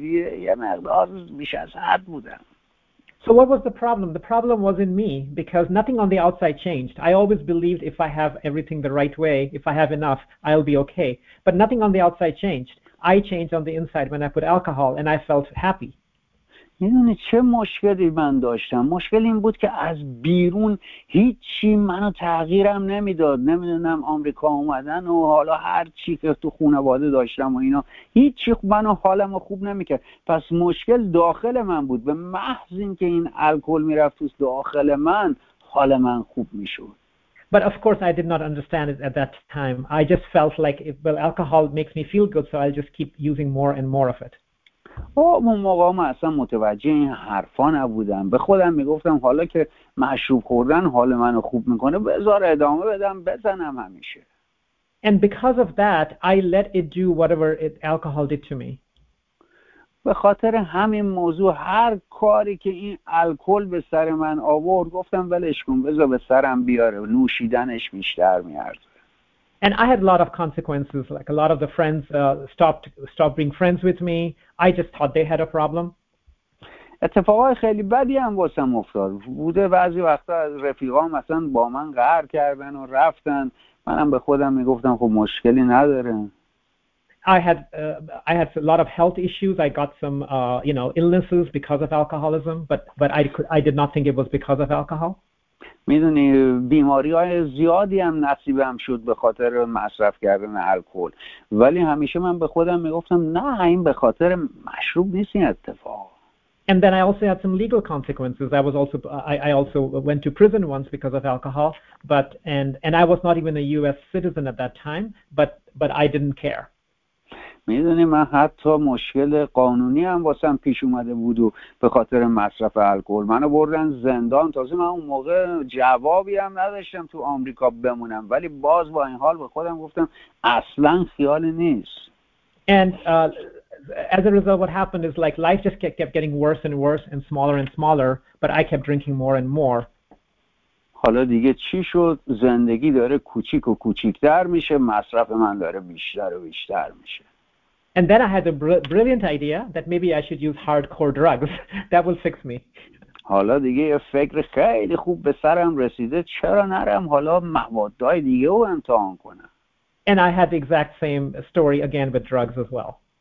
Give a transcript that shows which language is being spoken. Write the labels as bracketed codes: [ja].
[fa] یه مقدار بیش از حد بودم. [en] So what was the problem? The problem was in me, because nothing on the outside changed. I always believed if I have everything the right way, if I have enough, I'll be okay. But nothing on the outside changed. I changed on the inside when I put alcohol and I felt happy. [fa] میدونی چه مشکلی من داشتم؟ مشکل این بود که از بیرون هیچی منو تغییرم نمیداد. نمیدونم آمریکا اومدن و حالا هر چی که تو خانواده داشتم و اینا، هیچی منو حالم خوب نمیکرد. پس مشکل داخل من بود. به محض اینکه این الکل میرفت تو داخل من، حال من خوب میشد. [en] But of course, I did not understand it at that time. I just felt like, well, alcohol makes me feel good, so I'll just keep using more and more of it. [fa] خب اون موقع من اصلا متوجه این حرفا نبودم. به خودم میگفتم حالا که مشروب خوردن حال منو خوب میکنه، بذار ادامه بدم، بزنم همیشه. [en] And because of that, I let it do whatever alcohol did to me. [fa] به خاطر همین موضوع هر کاری که این الکل به سر من آورد، گفتم ولش کن، بذار به سرم بیاره، نوشیدنش بیشتر میارد. [en] And I had a lot of consequences, like a lot of the friends stopped being friends with me. I just thought they had a problem. [fa] اتفاقای خیلی بدی هم واسم افتاد. بوده بعضی وقتا از رفیقام اصلا با من قهر کردن و رفتن. منم به خودم میگفتم خب مشکلی نداره. [en] I had a lot of health issues. I got some illnesses because of alcoholism, but I did not think it was because of alcohol. [fa] میدونی بیماری های زیادی هم نصیبم شد به خاطر مصرف کردن الکل، ولی همیشه من به خودم میگفتم نه، این به خاطر مشروب نیست این اتفاق. [en] And then I also had some legal consequences. I also went to prison once because of alcohol, but I was not even a US citizen at that time, but I didn't care. [fa] میدونی من حتی مشکل قانونی هم واسم پیش اومده بود و به خاطر مصرف الکل منو بردن زندان. تازه من اون موقع جوابی هم نداشتم تو آمریکا بمونم، ولی باز با این حال به خودم گفتم اصلا خیال نیست. [en] And as a result, what happened is like life just kept getting worse and worse and smaller, but I kept drinking more and more. [fa] حالا دیگه چی شد؟ زندگی داره کوچیک و کوچیکتر میشه، مصرف من داره بیشتر و بیشتر میشه. [en] And then I had a brilliant idea that maybe I should use hardcore drugs. That will fix me. [fa] حالا دیگه یه فکر خیلی خوب به سرم رسیده. چرا نرم حالا موادهای دیگه رو امتحان کنم؟ [en] And I had the exact same story again with drugs as well.